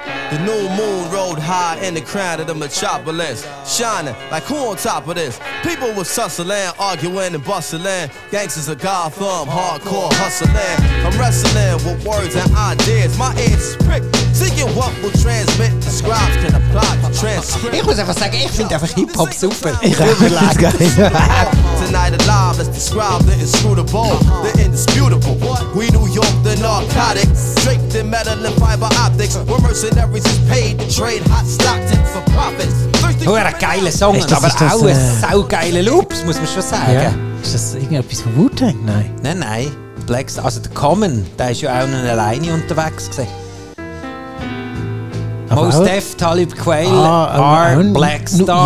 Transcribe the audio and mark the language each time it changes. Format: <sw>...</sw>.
<en>The new moon rode high in the crown of the metropolis, shining like who on top of this? People was tussling, arguing and bustling. Gangsters of Gotham, hardcore hustling. I'm wrestling with words and ideas. My ears pricked, seeking what will transmit. The scribes can apply to transcript.</en> <de>Ich muss einfach sagen, ich finde einfach Hip-Hop super. Ich habe mir leid.</de> <en>Tonight alive, let's describe the inscrutable, the indisputable. We New York, the narcotics. Drink the metal and fiber optics. We're mercenaries, it's paid to trade hot stocks and for profits.</en> <de>Oh, ein geiler Song, ist das, aber ist das, auch ein saugeiler Loops, muss man schon sagen. Ja. Ist das irgendetwas von Wu-Tang? Nein. Nein, nein. Black Star, also der Common, der ist ja auch noch alleine unterwegs gewesen. Most Def, Talib Kweli, R, Black Star.</de>